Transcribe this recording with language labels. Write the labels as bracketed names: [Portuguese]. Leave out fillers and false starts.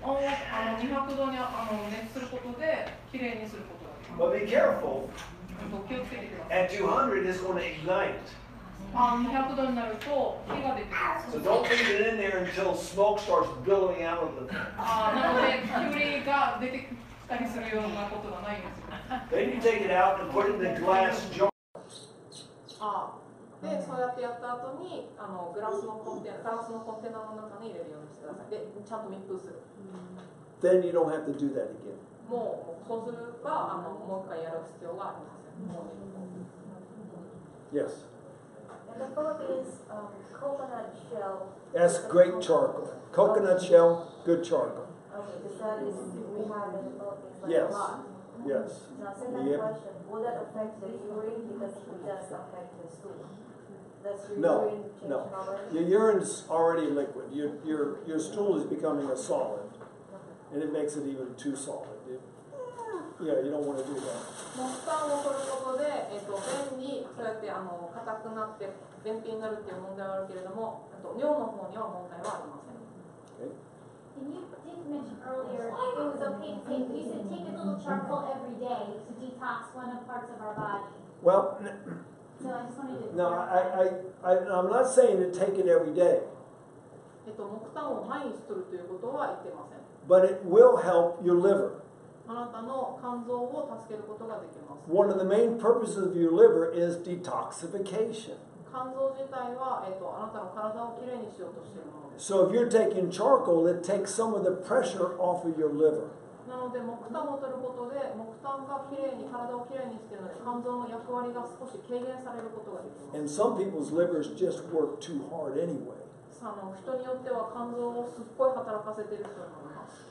[Japanese] Oh, あの200度にあの熱することで綺麗にすることができ [English] る。But be careful. [Japanese] 気をつけてください。 [English] At 200, it's going to ignite. [Japanese] 200度になると火が出てくる。 [English] So don't leave it in there until smoke starts billowing out of the thing. [Japanese] なので煙が出てきたりするようなことがないんですよ。 [English] Then you take it out and put it in the glass jar. [Japanese] で、そうやってやった後にあのガラスのコンテナの中に入れるようにしてください。で、ちゃんと密封する。 [English] Then you don't have to do that again. [Japanese] もうこうすればあのもう一回やる必要はありません。もう [English] Yes. And the fourth is coconut shell. That's great charcoal. Coconut shell, good charcoal. Okay, because that is we have in the book. Yes. Yes. Now, second question, would that affect the urine? Because it does affect the stool. No. Your urine's already liquid. Your stool is becoming a solid. And it makes it even too solid. Yeah, you don't want to do that. [Japanese] 木炭を取ることで、便にそうやってあの硬くなって便秘になるっていう問題はあるけれども、尿の方には問題はありません。 [English] Okay. And you did mention earlier it was okay to take. You said take a little charcoal every day to detox one of parts of our body. Well, so I just wanted to. No, I'm not saying to take it every day. [Japanese] 木炭を毎日取るということは言ってません。 [English] But it will help your liver. [Japanese] あなたの肝臓を助けることができます。 [English] One of the main purposes of your liver is detoxification. [Japanese] 肝臓自体は、あなたの体をきれいにしようとしているものです。 [English] So if you're taking charcoal, it takes some of the pressure off of your liver. [Japanese] なので木炭を取ることで木炭がきれいに体をきれいにしているので肝臓の役割が少し軽減されることができます。 [English] And some people's livers just work too hard anyway. [Japanese] あの人によっては肝臓をすっごい働かせている人もいます。